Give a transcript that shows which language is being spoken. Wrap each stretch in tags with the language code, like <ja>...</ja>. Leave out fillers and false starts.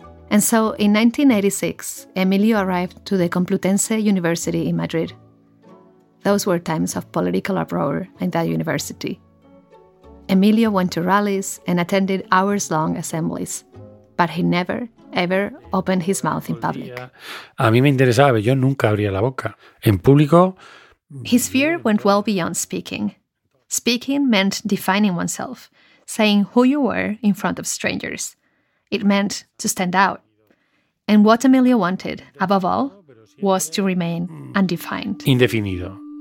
<en>And so in 1986, Emilio arrived to the Complutense University in Madrid. Those were times of political uproar in that university. Emilio went to rallies and attended hours-long assemblies, but he never, ever opened his mouth in public.</en> <es>A mí me interesaba, yo nunca abría la boca. En público...</es> <en>His fear went well beyond speaking. Speaking meant defining oneself, saying who you were in front of strangers. It meant to stand out. And what Emilio wanted, above all, was to remain undefined.</en> <es>Indefinido.</es>